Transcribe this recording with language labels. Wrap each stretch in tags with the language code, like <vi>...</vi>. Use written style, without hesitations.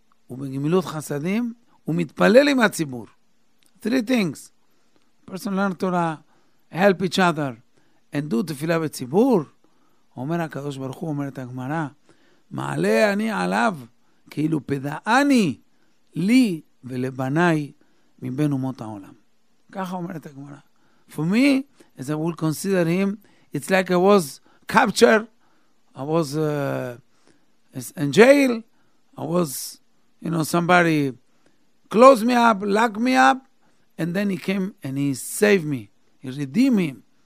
<he>ובגמילות חסדים, ומתפלל עם הציבור.</he> <en>Three things. Person learn Torah, help each other, and do תפילה בציבור.</en> <he>אומר הקדוש ברוך הוא, אומרת הגמרא, מעלה אני עליו, כאילו פדעני, לי ולבניי, מבין אומות העולם. ככה אומרת הגמרא.</he> <en>For me, as I will consider him, it's like I was captured, I was in jail, I was, you know, somebody closed me up, locked me up, and then he came and he saved me. He redeemed me.</en>